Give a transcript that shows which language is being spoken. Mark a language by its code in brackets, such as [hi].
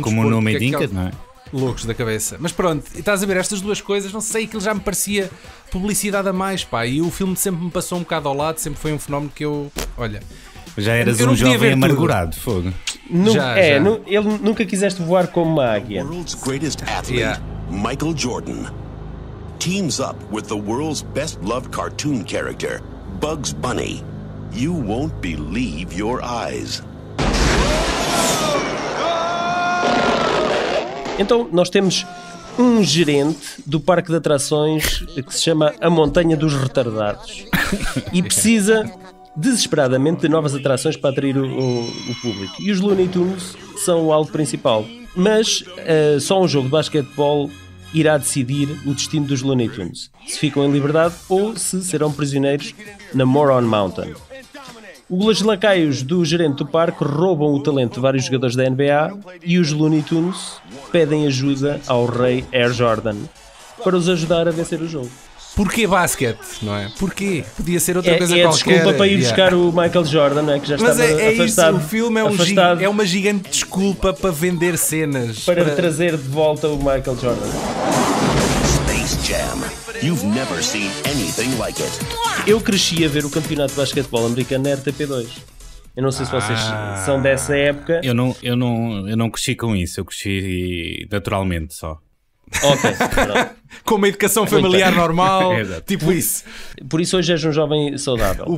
[pt] como o nome é Dinkett, não é? Loucos da cabeça. Mas pronto, estás a ver estas duas coisas, não sei, aquilo já me parecia publicidade a mais, pá. E o filme sempre me passou um bocado ao lado, sempre foi um fenómeno que eu. Olha. Já eras um jovem amargurado, fogo. Ele nunca quiseste voar como uma águia. [en] O mundo's greatest athlete, Michael Jordan, teams up with the world's best loved cartoon character, Bugs Bunny. You won't believe your eyes. [pt] Então, nós temos um gerente do parque de atrações que se chama A Montanha dos Retardados e precisa desesperadamente de novas atrações para atrair o público. E os Looney Tunes são o alvo principal. Mas só um jogo de basquetebol irá decidir o destino dos Looney Tunes. Se ficam em liberdade ou se serão prisioneiros na Moron Mountain. Os lacaios do gerente do parque roubam o talento de vários jogadores da NBA e os Looney Tunes pedem ajuda ao rei Air Jordan para os ajudar a vencer o jogo. Porquê basquete, não é? Porquê? Podia ser outra coisa é qualquer. É desculpa para ir buscar o Michael Jordan, não é? Que já mas estava é afastado. Isso, o filme é, afastado. É uma gigante desculpa para vender cenas. Para trazer de volta o Michael Jordan. Space Jam. [en] You've never seen anything like it. [pt] Eu cresci a ver o campeonato de basquetebol americano na RTP2. Eu não sei se vocês são dessa época. Eu não cresci com isso, eu cresci naturalmente só. Ok, pronto. Com uma educação familiar normal, tipo isso. Por isso hoje és um jovem saudável.